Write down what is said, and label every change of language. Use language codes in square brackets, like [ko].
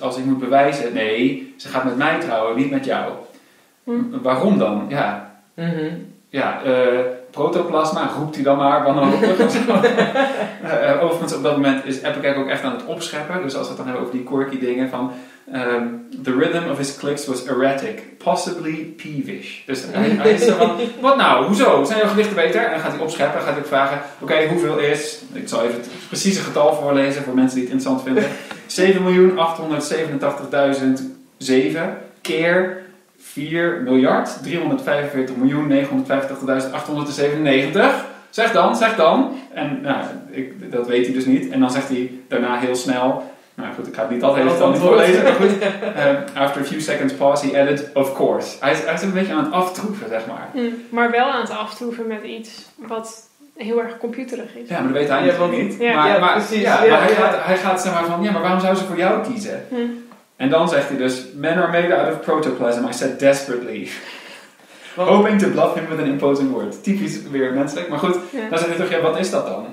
[nl] Als ik moet bewijzen, nee, ze gaat met mij trouwen, niet met jou. Hmm. Waarom dan? Ja. Mm-hmm. Ja, protoplasma, roept hij dan maar wanhopig. overigens, op dat moment is Epicac ook echt aan het opscheppen. Dus als we het dan hebben over die quirky dingen van... [en] the rhythm of his clicks was erratic, possibly peevish. [nl] Dus hij is van, wat nou, hoezo? Zijn jouw gedichten beter? En dan gaat hij opscheppen, gaat hij ook vragen, oké, hoeveel is... Ik zal even het precieze getal voorlezen voor mensen die het interessant vinden. 7.887.007 keer 4.345.985.897. Zeg dan. En nou, dat weet hij dus niet. En dan zegt hij daarna heel snel... Nou goed, ik ga het niet dat hele stel niet voorlezen. Maar goed. [en] After a few seconds pause, he added, of course. [nl] Hij is een beetje aan het aftroeven, zeg maar. Mm, maar wel aan het aftroeven met iets wat heel erg computerig is. Ja, maar dat weet hij natuurlijk niet. Hij gaat zeg maar van, ja, maar waarom zou ze voor jou kiezen? [en] Mm. [nl] En dan zegt hij dus, [en] men are made out of protoplasm, I said desperately. Hoping to bluff him with an imposing word. [nl] Typisch weer menselijk. Maar goed, dan zegt hij toch, ja, wat is dat dan?